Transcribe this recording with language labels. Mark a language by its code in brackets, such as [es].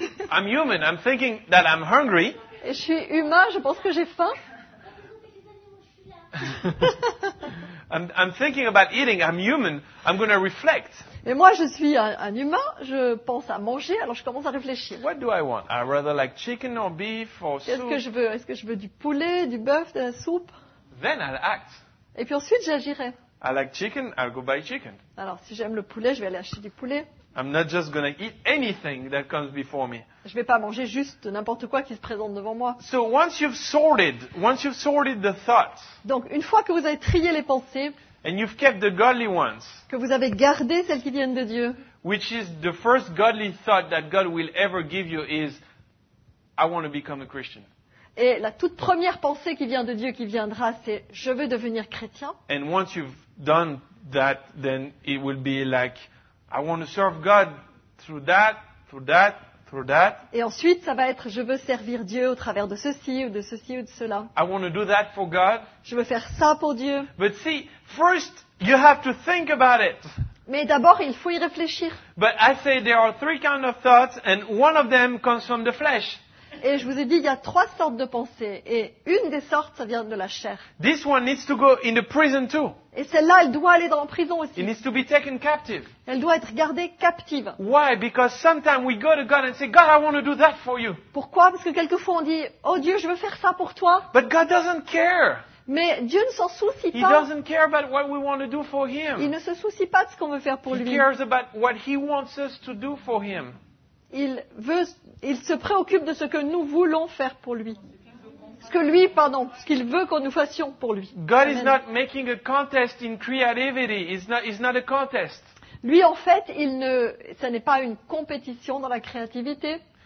[en] I'm human, I'm thinking that I'm hungry. [fr] Et je suis humain, je pense que j'ai faim. [en] I'm thinking about eating. I'm human. I'm going to reflect. [fr] Et moi, je suis un humain. Je pense à manger. Alors, je commence à réfléchir. [en] What do I want? I'd rather like chicken or beef or soup. [fr] Qu'est-ce que je veux? Est-ce que je veux du poulet, du bœuf, de la soupe? [en] Then I'll act. [fr] Et puis ensuite, j'agirai. [en] I like chicken. I'll go buy chicken. [fr] Alors, si j'aime le poulet, je vais aller acheter du poulet. [en] I'm not just going to eat anything that comes before me. [fr] Je vais pas manger juste n'importe quoi qui se présente devant moi. [en] So once you've sorted the thoughts. [fr] Donc une fois que vous avez trié les pensées. [en] And you've kept the godly ones. [fr] Que vous avez gardé celles qui viennent de Dieu. [en] Which is the first godly thought that God will ever give you is I want to become a Christian. [fr] Et la toute première pensée qui vient de Dieu qui viendra c'est je veux devenir chrétien. [en] And once you've done that then it will be like I want to serve God through that, through that, through that. [fr] Et ensuite, ça va être je veux servir Dieu au travers de ceci ou de ceci ou de cela. [en] I want to do that for God. [fr] Je veux faire ça pour Dieu. [en] But see, first you have to think about it. [fr] Mais d'abord, il faut y réfléchir. [en] But I say there are three kinds of thoughts and one of them comes from the flesh. [fr] Et je vous ai dit il y a trois sortes de pensées et une des sortes ça vient de la chair. [en] This one needs to go in the prison too. [fr] Et celle-là elle doit aller dans la prison aussi. [en] It needs to be taken captive. [fr] Elle doit être gardée captive. [en] Why? Because sometimes we go to God and say, God, I want to do that for you. [fr] Pourquoi? Parce que quelquefois on dit, oh Dieu, je veux faire ça pour toi. [en] But God doesn't care. [fr] Mais Dieu ne s'en soucie pas. [en] He doesn't care about what we want to do for him. [fr] Il ne se soucie pas de ce qu'on veut faire pour [en] he [fr] lui. [en] He cares about what he wants us to do for him. [fr] Il se préoccupe de ce que nous voulons faire pour lui. Ce qu'il veut que nous fassions pour lui. [en] God is not making a contest in creativity. It's not a contest. [fr] Lui en fait, ce n'est pas une compétition dans la créativité.